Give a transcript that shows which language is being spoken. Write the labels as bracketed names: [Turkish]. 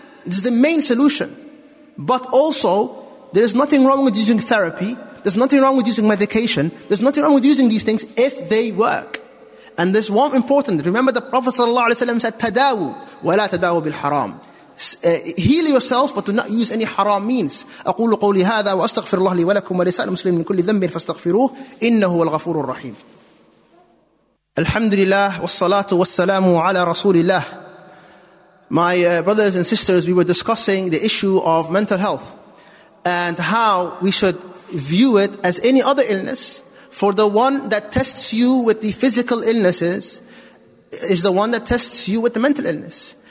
[English] It's the main solution. But also, there is nothing wrong with using therapy. There's nothing wrong with using medication. There's nothing wrong with using these things if they work. And there's one important. Remember the Prophet ﷺ said, [Arabic] تَدَاوُ وَلَا تَدَاوُ بِالْحَرَامِ. [English] Heal yourself, but do not use any haram means. [Arabic] أقول قولي هذا وأستغفر الله لي ولكم ولسائر المسلمين من كل ذنب فاستغفروه إنه هو الغفور الرحيم. الحمد لله والصلاة والسلام على رسول الله. [English] My brothers and sisters, we were discussing the issue of mental health and how we should view it as any other illness. For the one that tests you with the physical illnesses is the one that tests you with the mental illness.